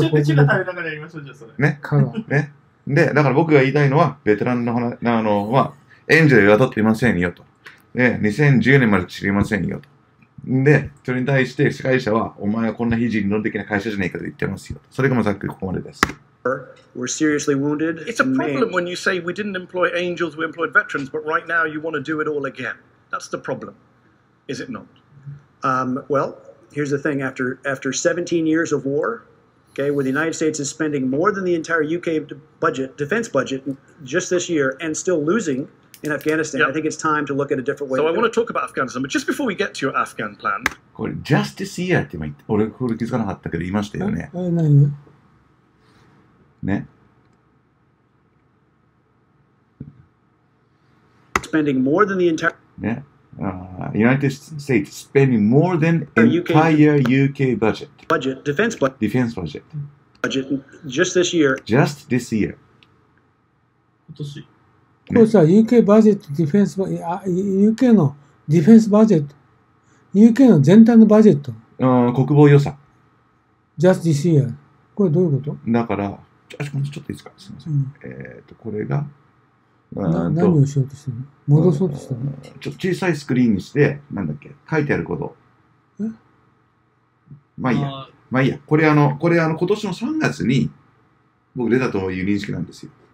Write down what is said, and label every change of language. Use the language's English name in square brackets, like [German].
[Japanese] 国民。ちょっと食べながらやりましょう、じゃあそれ。ね、加賀。ね。で、だから僕が言いたいのは、ベテランの話、あの、は、エンジェル雇っていませんよと。で、2010年まで知りませんよと。で、それに対して、司会者は、お前はこんな非人道的な会社じゃないかと言ってますよ。それがまさっきここまでです。 [English] We're seriously wounded. It's a problem when you say we didn't employ angels, we employed veterans, but right now you want to do it all again. That's the problem, is it not? Well, here's the thing. After 17 years of war, okay, where the United States is spending more than the entire UK budget, defense budget, just this year, and still losing in Afghanistan, yep. I think it's time to look at a different way. So I want to talk about Afghanistan, but just before we get to your Afghan plan. [Japanese] これ [English] just this year [Japanese] って言って、俺これ気づかなかったけど言いましたよね。何？ね。 [English] Spending more than the entire. [Japanese] ね。 [English] United States spending more than entire UK budget. Budget, defense budget. Defense budget. Budget, just this year. Just this year. [Japanese] 今年。これさ、 [English] UK budget, defense budget, [Japanese] UK の defense budget, UK の全体のバジェット。国防予算。 [English] Just this year. [Japanese] これどういうこと？だから、ちょっといいですか？すみません。これが。何をしようとしてるの？戻そうとしてるの？ちょっと小さいスクリーンにして、なんだっけ、書いてあること。え？まあいいや。まあいいや。これ今年の3月に僕出たという認識なんですよ。